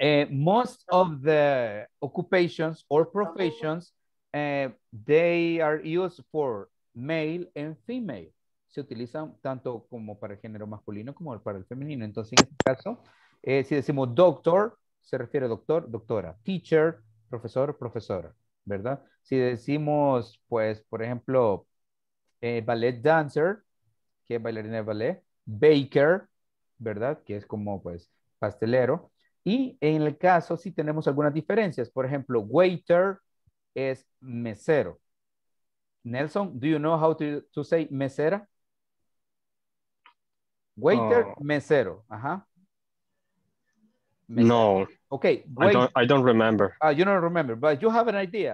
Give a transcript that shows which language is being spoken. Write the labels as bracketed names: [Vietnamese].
[English] Most of the occupations or professions, they are used for male and female. [Spanish] Se utilizan tanto como para el género masculino como para el femenino. Entonces, en este caso, si decimos doctor, se refiere a doctor, doctora, teacher, profesor, profesora, ¿verdad? Si decimos, pues, por ejemplo, ballet dancer, que es bailarina de ballet, baker, ¿verdad? Que es como, pues, pastelero. Y en el caso, sí tenemos algunas diferencias. Por ejemplo, waiter es mesero. [English] Nelson, do you know how to say mesera? [Spanish] Waiter, mesero, ajá. Mesa. No. [English] Okay. I don't remember. You don't remember, but you have an idea.